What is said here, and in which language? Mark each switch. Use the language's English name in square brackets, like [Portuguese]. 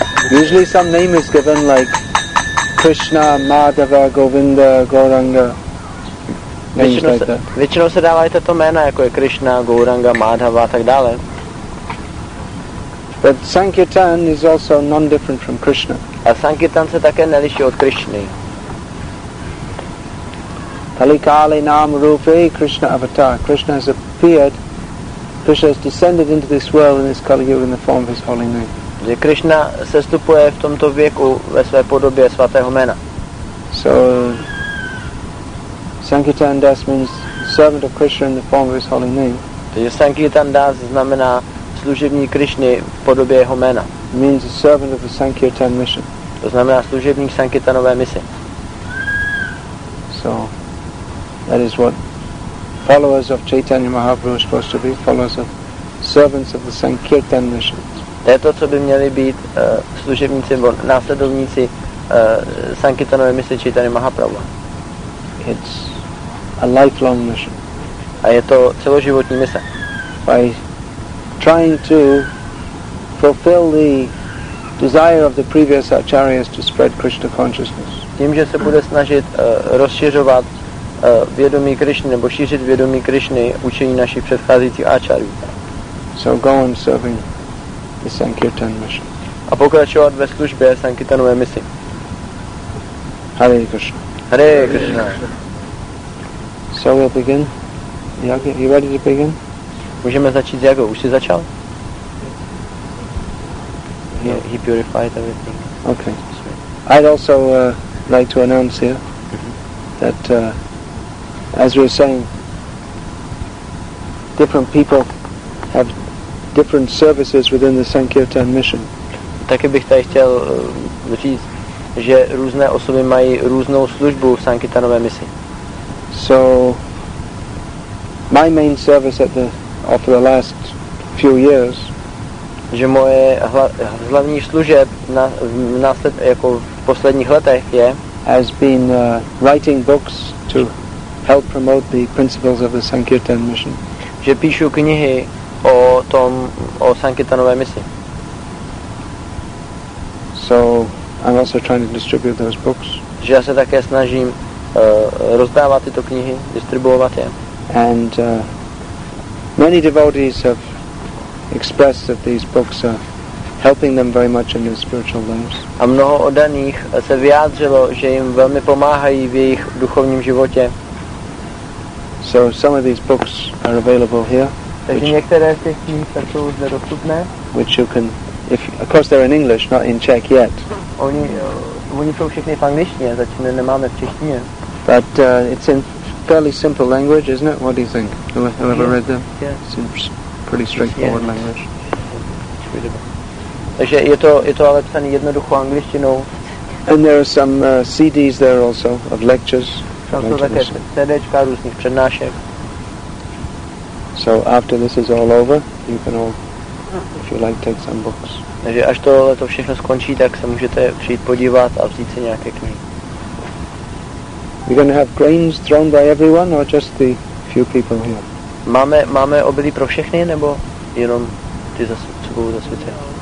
[English] Usually some name is given like Krishna, Madhava, Govinda, Gauranga, names [Czech] většinou [English] like [Czech] se dávají tato jména, jako je Krishna, Gauranga, Madhava a tak dále. [English] But Sankirtan is also non-different from Krishna. [Czech] A Sankirtan se také neliší od Krishny. [Sanskrit] Kalikali nam rupi Krishna avatar. [English] Krishna has appeared, Krishna has descended into this world in this Kali Yuga in the form of his holy name. [Czech] Že Krishna sestupuje v tomto věku ve své podobě svatého jména. [English] So Sankirtan Das means servant of Krishna in the form of his holy name. [Czech] Takže Sankirtan Das znamená služebník Krishny v podobě jeho jména. [English] Means a servant of the Sankirtan mission. [Czech] To znamená služebník Sankirtanové mise. [English] So that is what followers of Chaitanya Mahaprabhu are supposed to be, followers of servants of the Sankirtan mission. [Czech] To je to, co by měli být služebníci nebo následovníci Sankirtanové mise Chaitanya Mahaprabhu. [English] It's a lifelong mission. [Czech] A je to celoživotní mise. [English] By trying to fulfill the desire of the previous acharyas to spread Krishna consciousness. [Czech] Tím, že se bude snažit rozšiřovat vědomí Krishny nebo šířit vědomí Krishny učení našich předcházejících acharyů. [English] So go on serving the Sankirtan mission. [Czech] A pokračovat ve službě Sankirtanové misi. [Sanskrit] Hare Krishna. Hare Krishna. [English] So we'll begin. Are you ready to begin? [Czech] Můžeme začít s jagou. Už jsi začal? [English] He purified everything. Okay. I'd also like to announce here that as we were saying, different people have different services within the Sankirtan mission. [Czech] Taky bych tady chtěl říct, že různé osoby mají různou službu v Sankirtanové misi. [English] So my main service at the for the last few years, [Czech] že moje hlavní služeb jako v posledních letech je [English] has been writing books to help promote the principles of the Sankirtan mission. [Czech] Že píšu knihy o tom, o Sankirtanové misi. [English] So I'm also trying to distribute those books. [Czech] Že já se také snažím rozdávat tyto knihy, distribuovat je. [English] And many devotees have expressed that these books are helping them very much in their spiritual lives. [Czech] A mnoho oddaných se vyjádřilo, že jim velmi pomáhají v jejich duchovním životě. [English] So some of these books are available here. [Czech] Takže [English] which, [Czech] některé z těch knih jsou zde dostupné. [English] Which you can, if of course they're in English, not in Czech yet. [Czech] Oni jsou všechny v angličtině, zatím nemáme v češtině. [English] But it's in fairly simple language, isn't it? What do you think? Have you ever read them? Yes. It's pretty straightforward language. [Czech] Takže je to ale psaný jednoduchou angličtinou. [English] And there are some CDs there also of lectures. [Czech] Jsou také CDčka různých přednášek. [English] So after this is all over, you can all, if you like, take some books. [Czech] Takže až tohle to všechno skončí, tak se můžete přijít podívat a vzít si nějaké knihy. [English] We're going to have grains thrown by everyone, or just the few people here. [Czech] Máme obilí pro všechny, nebo jenom ty co budou zasvěceny?